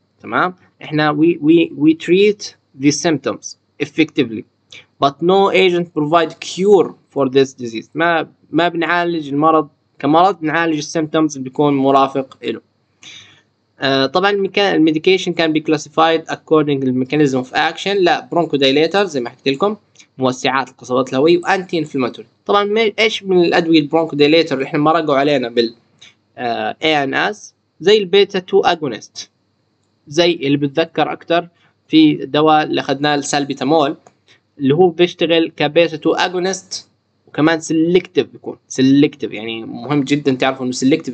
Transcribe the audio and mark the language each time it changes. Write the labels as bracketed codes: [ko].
[ar] تمام، احنا [en] We treat the symptoms effectively but no agent provide cure for this disease. [ar] ما بنعالج المرض كمرض، بنعالج symptoms اللي بيكون مرافق له. [en] طبعا medication can be classified according to the mechanism of action. [ar] لا bronchodilator زي ما حكيت لكم، موسعات القصبات الهوائيه، وانتي انفلاماتوري. طبعا ايش من الادويه البرونكودايليتر اللي احنا مرقوا علينا بال ANS؟ زي البيتا 2 agonist، زي اللي بتذكر اكثر في دواء اللي اخذناه السالبيتامول اللي هو بيشتغل كبيتا 2 اجونست، وكمان سيلكتيف، بيكون سيلكتيف يعني مهم جدا تعرفوا انه سيلكتيف.